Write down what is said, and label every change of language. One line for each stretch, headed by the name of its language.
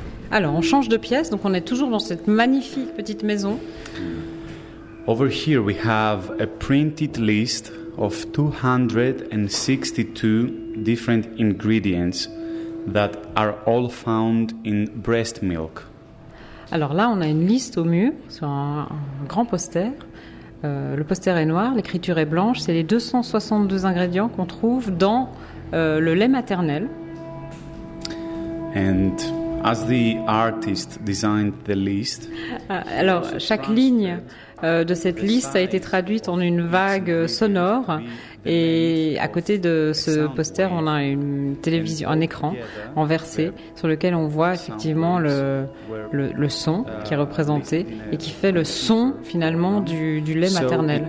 French: Alors, on change de pièce, donc on est toujours dans cette magnifique petite maison.
English: Over here we have a printed list of 262 different ingredients that are all found in breast milk.
French: Alors là, on a une liste au mur sur un grand poster. Le poster est noir, l'écriture est blanche, c'est les 262 ingrédients qu'on trouve dans le lait maternel.
English: And as the artist designed the list,
French: alors chaque ligne de cette liste a été traduite en une vague sonore, et à côté de ce poster on a une télévision, un écran renversé sur lequel on voit effectivement le son qui est représenté et qui fait le son finalement du lait maternel.